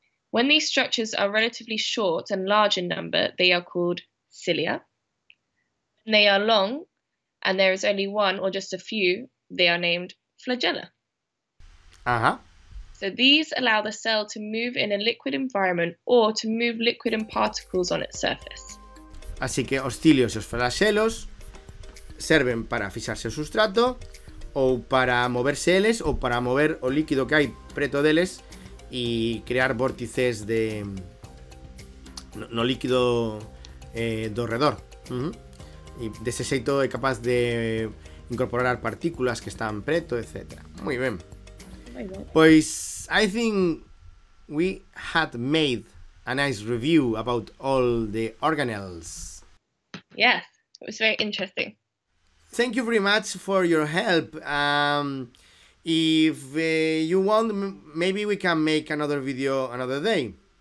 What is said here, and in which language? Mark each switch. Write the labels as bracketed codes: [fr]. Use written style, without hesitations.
[en] When these structures are relatively short and large in number, they are called cilia. When they are long and there is only one or just a few, they are named flagella. Uh-huh. So these allow the cell to move in a liquid environment or to move liquid and particles on its surface. [es] Así que los cilios y los flagelos sirven para fijarse el sustrato o para moverse ellos o para mover el líquido que hay [gl] preto [es] de ellos y crear vórtices de no líquido [gl] do redor. [es] Y de ese [gl] xeito [es] es capaz de incorporar partículas que están [gl] preto, [es] etc. Muy bien. [en] Pues, I think we had made a nice review about all the organelles. Yes, it was very interesting. Thank you very much for your help. If you want, maybe we can make another video another day.